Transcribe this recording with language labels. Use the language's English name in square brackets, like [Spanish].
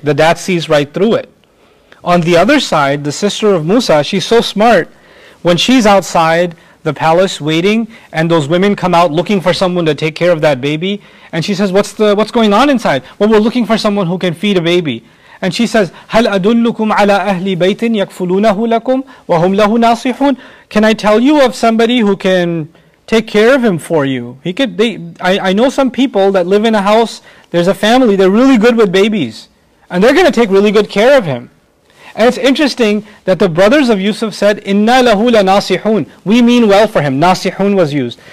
[English] The dad sees right through it. On the other side, the sister of Musa, she's so smart. When she's outside the palace waiting, and those women come out looking for someone to take care of that baby, and she says, what's going on inside? Well, we're looking for someone who can feed a baby. And she says, [Arabic] هَلْ أَدُلُّكُمْ عَلَىٰ أَهْلِ بَيْتٍ يَكْفُلُونَهُ لَكُمْ وَهُمْ لَهُ نَاصِحُونَ. [English] Can I tell you of somebody who can take care of him for you? I know some people that live in a house, there's a family, they're really good with babies. And they're going to take really good care of him. And it's interesting that the brothers of Yusuf said, [Arabic] إِنَّا لَهُ لَنَاصِحُونَ. [English] We mean well for him. Nasihun was used.